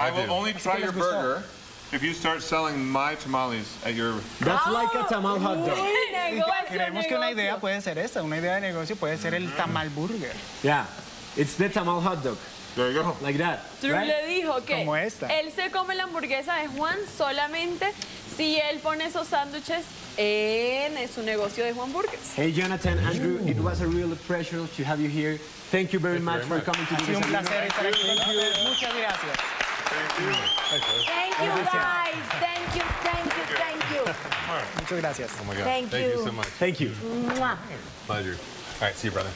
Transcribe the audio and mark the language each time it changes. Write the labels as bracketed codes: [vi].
[en] I will only try your burger if you start selling my tamales at your... That's like a tamal hot dog. [es] Creemos que una idea puede ser esa. Una idea de negocio puede ser el tamal burger. [en] Yeah, it's the tamal hot dog. There you go. Like that. Drew right? [es] Le dijo que él se come la hamburguesa de Juan solamente si él pone esos sándwiches en su negocio de Juan Burgers. [en] Hey, Jonathan, Andrew, ooh, it was a real pleasure to have you here. Thank you very much for coming to the show. [es] Ha sido un placer estar aquí. [en] Thank you. [es] Muchas gracias. [en] Thank you, guys. Thank you, thank you, thank you. [es] Muchas gracias. [en] Oh, my God. Thank you so much. Thank you. Pleasure. All right, see you, brother.